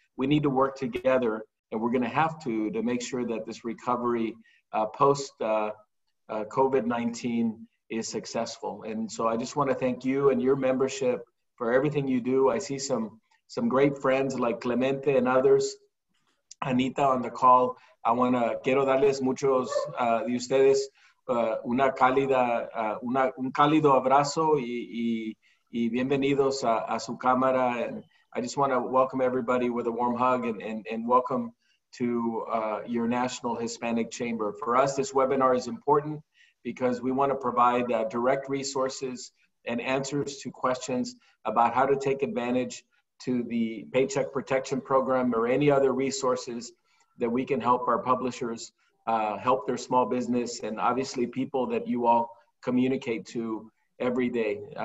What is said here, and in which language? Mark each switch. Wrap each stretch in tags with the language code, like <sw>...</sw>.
<en>We need to work together, and we're gonna have to make sure that this recovery post-COVID-19 is successful. And so I just wanna thank you and your membership for everything you do. I see some great friends like Clemente and others, Anita on the call. I wanna,</en> <es>quiero darles muchos de ustedes un cálido abrazo y bienvenidos a su cámara.</es> <en>And I just wanna welcome everybody with a warm hug and welcome to your National Hispanic Chamber. For us, this webinar is important because we wanna provide direct resources and answers to questions about how to take advantage to the Paycheck Protection Program or any other resources that we can help our publishers help their small business, and obviously people that you all communicate to every day.</en>